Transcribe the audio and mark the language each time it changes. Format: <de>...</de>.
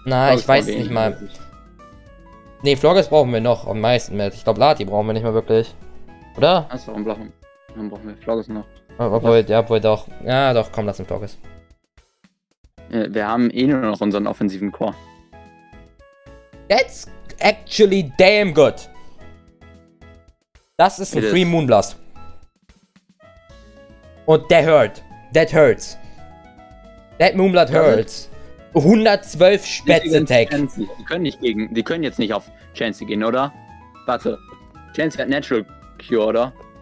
<de>Na, ich weiß es nicht mal. Nee, Florgus brauchen wir noch am meisten mit. Ich glaube, Lati brauchen wir nicht mehr wirklich. Oder? Achso, warum brauchen wir Florgus noch? Obwohl, doch. Ja, doch, komm, lass den Florgus. Wir haben eh nur noch unseren offensiven Core.</de> <en>That's actually damn good.</en> <de>Das ist ein Free Moonblast.</de> <en>Und that hurt. That hurts. That Moonblood hurts.</en> <de>112 Spätze-Tag. Die können jetzt nicht auf Chansey gehen, oder? Warte. Chansey hat Natural Cure, oder?</de>